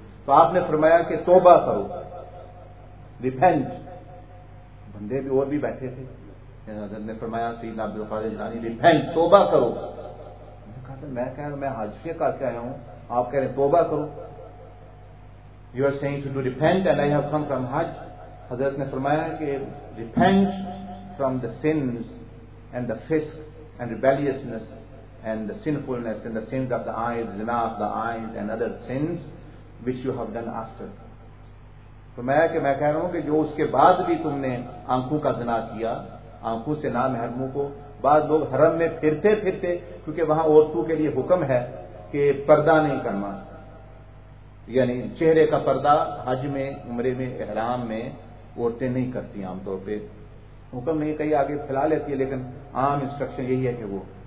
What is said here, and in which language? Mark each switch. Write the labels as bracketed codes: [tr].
[ur] تو آپ نے فرمایا کہ توبہ کرو, ریپینٹ. بندے بھی اور بھی بیٹھے تھے, حضرت نے فرمایا سیدنا عبد القادر جیلانی ریپینٹ, توبہ کرو. کہا تھا میں کہہ رہا ہوں میں حج کے کر کے آیا ہوں, آپ کہہ رہے ہیں توبہ کرو, [en] you are saying to do repent and I have come from Hajj. Hazrat [ur] نے فرمایا کہ [en] repent from the sins and the fisk and rebelliousness and the sinfulness and the sins of the eyes, zina of the eyes and other sins which you have done after. [ur] فرمایا کہ میں کہہ رہا ہوں کہ جو اس کے بعد بھی تم نے آنکھوں کا زنا کیا, آنکھوں سے نام ہے حرموں کو, بعض لوگ حرم میں پھرتے پھرتے کیونکہ وہاں عورتوں کے لیے حکم ہے کہ پردہ نہیں کرنا, یعنی چہرے کا پردہ حج میں عمرے میں احرام میں عورتیں نہیں کرتی عام طور پہ, حکم نہیں کہیں آگے پھیلا لیتی ہے لیکن عام انسٹرکشن یہی ہے کہ وہ.